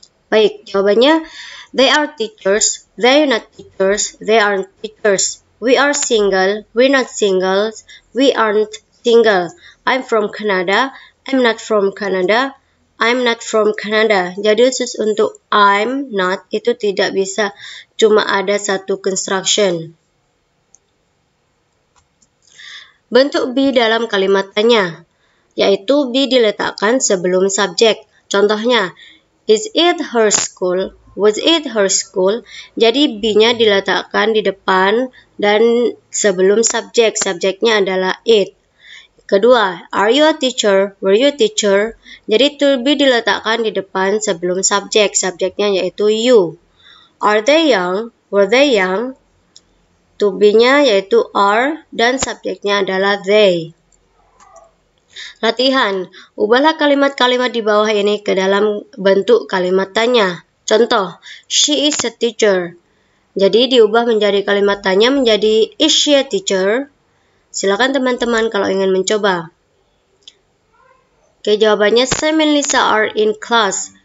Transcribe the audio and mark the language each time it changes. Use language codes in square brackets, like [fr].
[id] Baik, jawabannya [en] they are teachers, they are not teachers, they aren't teachers. We are single, we're not single, we aren't single. I'm from Canada, I'm not from Canada, I'm not from Canada. [id] Jadi khusus untuk I'm not itu tidak bisa cuma ada satu construction. Bentuk be dalam kalimat tanya, yaitu be diletakkan sebelum subjek. [en] Contohnya, is it her school? Was it her school? [id] Jadi be-nya diletakkan di depan dan sebelum subjek. Subjeknya adalah [en] it. [id] Kedua, [en] are you a teacher? Were you a teacher? [id] Jadi [en] to be [id] diletakkan di depan sebelum subjek. Subjeknya yaitu you. [en] Are they young? Were they young? [id] To be-nya yaitu are dan subjeknya adalah they. Latihan, ubahlah kalimat-kalimat di bawah ini ke dalam bentuk kalimat tanya. Contoh, [en] she is a teacher. [id] Jadi diubah menjadi kalimat tanya menjadi [en] is she a teacher? [id] Silakan teman-teman kalau ingin mencoba. Oke, jawabannya [en] Sam and Lisa are in class.